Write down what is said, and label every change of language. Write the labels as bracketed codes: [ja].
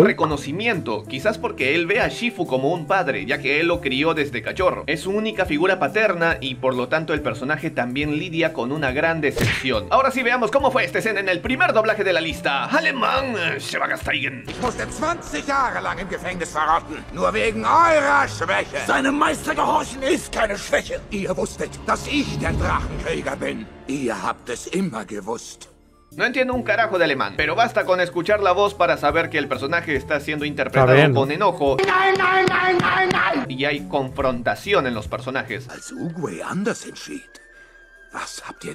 [es] Es reconocimiento, quizás porque él ve a Shifu como un padre, ya que él lo crió desde cachorro. Es su única figura paterna y por lo tanto el personaje también lidia con una gran decepción. Ahora sí, veamos cómo fue esta escena en el primer doblaje de la lista. Alemán, Schwagersteigen. [de] Ich musste 20 Jahre lang im Gefängnis verrotten, nur wegen eurer Schwäche. Seinem Meister gehorchen ist keine Schwäche. Ihr wusstet, dass ich der Drachenkrieger bin. Ihr habt es immer gewusst. [es] No entiendo un carajo de alemán, pero basta con escuchar la voz para saber que el personaje está siendo interpretado con enojo. Y hay confrontación en los personajes. [de] Als Uwe anders entschied, was habt ihr